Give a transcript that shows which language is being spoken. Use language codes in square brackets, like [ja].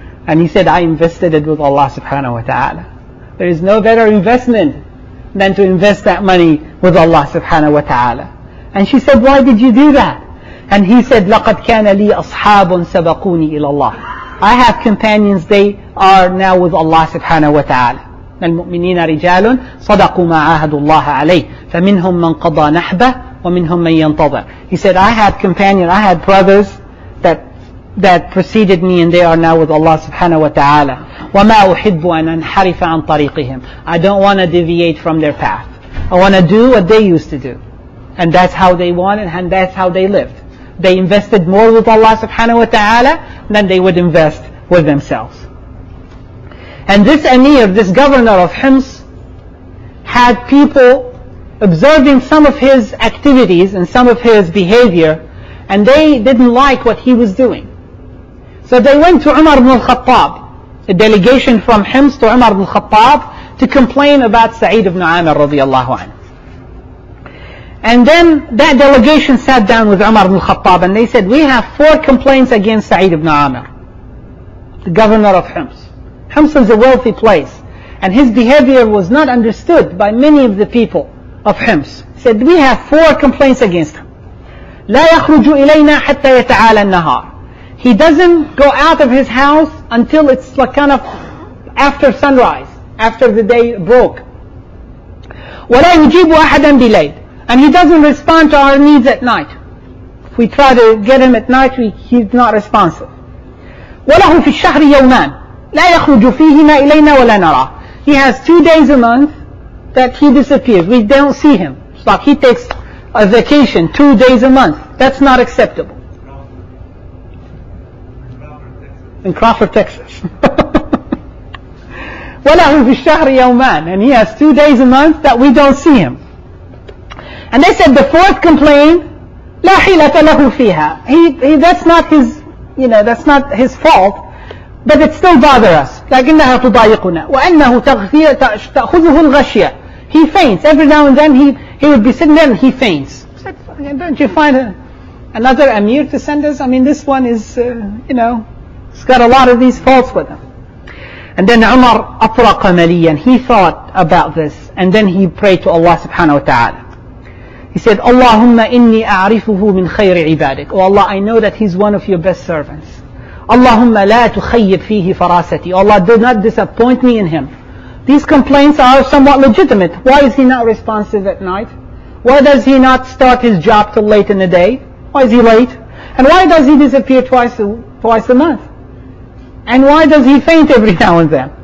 [en] And he said, I invested it with Allah subhanahu wa ta'ala. There is no better investment than to invest that money with Allah subhanahu wa ta'ala. And she said, why did you do that? [ar] And he said, لَقَدْ كَانَ لِي أَصْحَابٌ سَبَقُونِي إِلَى اللَّهِ. [en] I have companions, they are now with Allah subhanahu wa ta'ala. [ar] المؤمنين رجال صدقوا ما عاهدوا الله عليه فمنهم من قضى نحبه ومنهم من ينتظر. [en] He said, I had companions, I had brothers that preceded me and they are now with Allah subhanahu wa ta'ala. [ar] وما أحب أن أنحرف عن طريقهم. [en] I don't want to deviate from their path. I want to do what they used to do. And that's how they wanted and that's how they lived. They invested more with Allah subhanahu wa ta'ala than they would invest with themselves. And this Amir, this governor of Hims, had people observing some of his activities and some of his behavior, and they didn't like what he was doing. So they went to Umar ibn al-Khattab, a delegation from Hims to Umar ibn al-Khattab, to complain about Sa'id ibn Amr radiallahu anhu. And then that delegation sat down with Umar ibn al-Khattab, and they said, we have four complaints against Sa'id ibn Amr, the governor of Hims. Hims is a wealthy place, and his behavior was not understood by many of the people of Hims. He said, we have four complaints against him. [ar] لا يخرج إلينا حتى يتعالى النهار. [en] He doesn't go out of his house until it's like kind of after sunrise, after the day broke. [ar] ولا يجيب أحدا بليل. [en] And he doesn't respond to our needs at night. If we try to get him at night, he's not responsive. [ar] وله في الشهر يومان. لا يخرج فيهما إلينا ولا نراه. [en] He has 2 days a month that he disappears. We don't see him. It's like he takes a vacation 2 days a month. That's not acceptable. In Crawford, Texas. [ar] وله في الشهر يومان. [en] And he has 2 days a month that we don't see him. And they said the fourth complaint [ar] لا حيلة له فيها. [en] He that's not his, you know, that's not his fault, but it still bothers us. [ar] لكنها تضايقنا. وأنه تأخذه الغشية. [en] He faints every now and then. He would be sitting there and he faints. Don't you find another emir to send us? I mean, this one is, you know, it's got a lot of these faults with him. And then Umar [ar] أطرق مليا. [en] He thought about this, and then he prayed to Allah subhanahu wa ta'ala. He said, [ar] اللهم إني أعرفه من خير عبادك. [en] Oh Allah, I know that he's one of your best servants. [ar] اللهم لا تخيب فيه فراستي. [en] Oh Allah, do not disappoint me in him. These complaints are somewhat legitimate. Why is he not responsive at night? Why does he not start his job till late in the day? Why is he late? And why does he disappear twice a month? And why does he faint every now and then?